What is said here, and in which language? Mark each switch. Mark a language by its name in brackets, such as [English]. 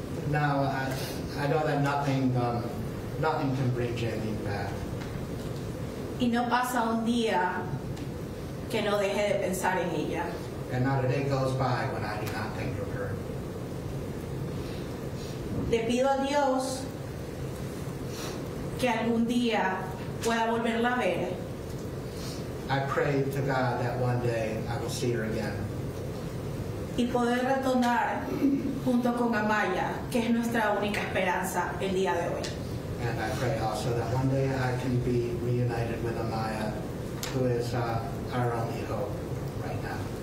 [English] Now, I know that nothing can bring Jaylene back. [Spanish] Y no pasa un día que no deje de pensar en ella. [English] And not a day goes by when I do not think of her. [Spanish] Le pido a Dios que algún día pueda volverla a ver. [English] I pray to God that one day I will see her again. [Spanish] Y poder retornar junto con Amaya, que es nuestra única esperanza el día de hoy. [English] And I pray also that one day I can be reunited with Amaya, who is our only hope right now.